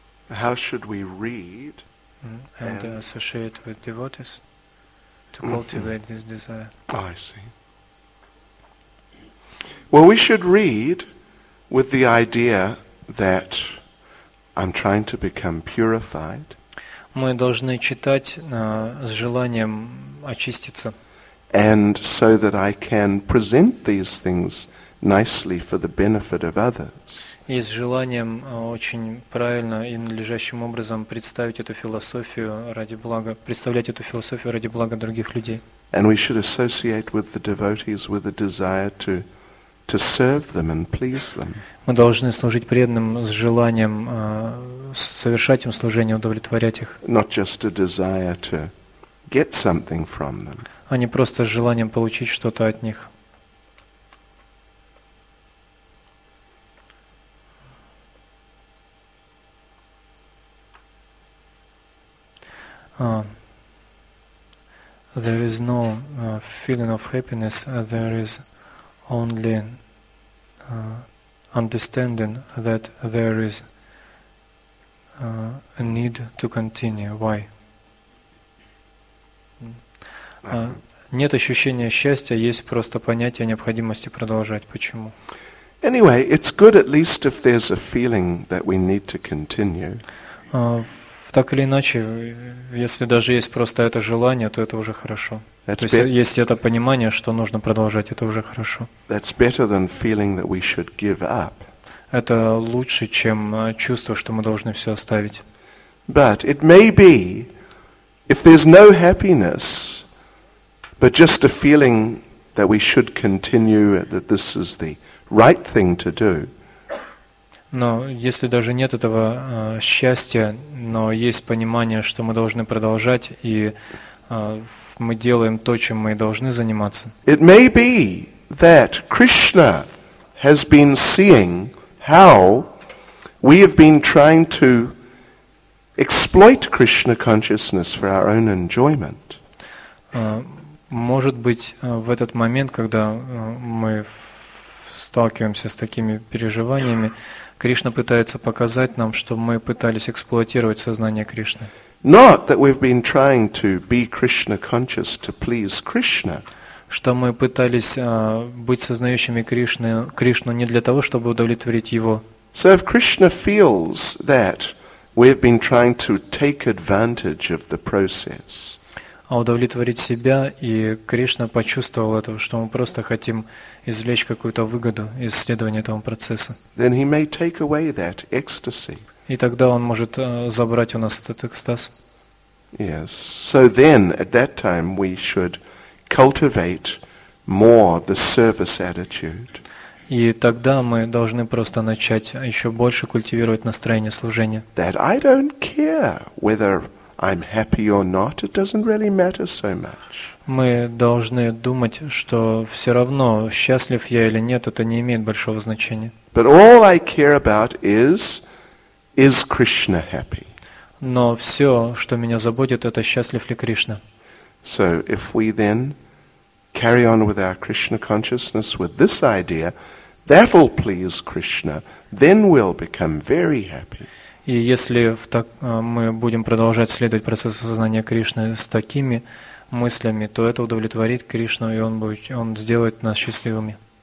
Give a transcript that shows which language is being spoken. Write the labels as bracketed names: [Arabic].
[English] How should we read and associate with devotees to cultivate this desire? Oh, I see. Well, we should read with the idea that I'm trying to become purified. [Russian] Мы должны читать с желанием очиститься. [English] And so that I can present these things nicely for the benefit of others. [Russian] И с желанием очень правильно и надлежащим образом представить эту философию ради блага, представлять эту философию ради блага других людей. [English] And we should associate with the devotees with a desire to serve them and please them. [Russian] Мы должны служить преданным с желанием совершать им служение, удовлетворять их. [English] Not just a desire to get something from them. [Russian] А не просто с желанием получить что-то от них. [English] There is no feeling of happiness. There is only understanding that there is a need to continue. Why? [Russian] Нет ощущения счастья, есть просто понятие необходимости продолжать. Почему? [English] Anyway, it's good at least if there's a feeling that we need to continue. [Russian] Так или иначе, если даже есть просто это желание, то это уже хорошо. То есть, есть это понимание, что нужно продолжать, это уже хорошо. [English] That's better than feeling that we should give up. [Russian] Это лучше, чем чувство, что мы должны все оставить. [English] But it may be, if there's no happiness, but just a feeling that we should continue, that this is the right thing to do. [Russian] Но если даже нет этого счастья, но есть понимание, что мы должны продолжать, и мы делаем то, чем мы должны заниматься. [English] It may be that Krishna has been seeing how we have been trying to exploit Krishna consciousness for our own enjoyment. [Russian] Может быть, в этот момент, когда мы сталкиваемся с такими переживаниями, Кришна пытается показать нам, что мы пытались эксплуатировать сознание Кришны. [English] Not that we've been trying to be Krishna conscious to please Krishna. [Russian] Что мы пытались быть сознающими Кришну не для того, чтобы удовлетворить его. [English] So if Krishna feels that we've been trying to take advantage of the process. [Russian] А удовлетворить себя, и Кришна почувствовал это, что мы просто хотим извлечь какую-то выгоду из исследования этого процесса. [English] Then he may take away that ecstasy. [Russian] И тогда он может забрать у нас этот экстаз. [English] Yes. So then, at that time, we should cultivate more the service attitude. [Russian] И тогда мы должны просто начать еще больше культивировать настроение служения. [English] That I don't care whether I'm happy or not, it doesn't really matter so much. [Russian] Мы должны думать, что все равно, счастлив я или нет, это не имеет большого значения. [English] But all I care about is Krishna happy? [Russian] Но все, что меня заботит, это счастлив ли Кришна. [English] So if we then carry on with our Krishna consciousness with this idea, That will please Krishna. Then we'll become very happy. [Russian] И если мы будем продолжать следовать процессу сознания Кришны с такими мыслями, то это удовлетворит Кришну, и он сделает нас счастливыми.